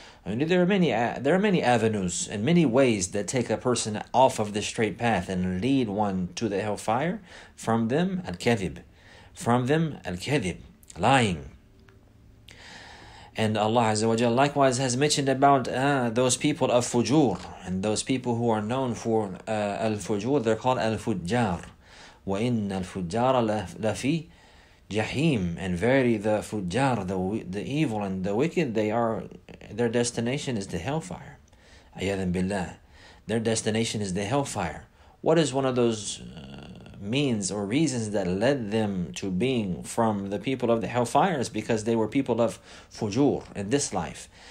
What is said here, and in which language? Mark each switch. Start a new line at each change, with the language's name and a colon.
English: I mean, there are many avenues and many ways that take a person off of the straight path and lead one to the hellfire. From them, al-kadhib. From them, al-kadhib. Lying. And Allah Azza wa Jalla likewise has mentioned about those people of fujur. And those people who are known for al-fujur, they're called al-fujjar.
Arabic: وَإِنَّ الْفُجَّارَ لَفِي Jahim.
English: And verily, the fujjar, the evil and the wicked, their destination is the hellfire. Ayyadan billah. Their destination is the hellfire. What is one of those means or reasons that led them to being from the people of the hellfire? Is because they were people of fujur in this life.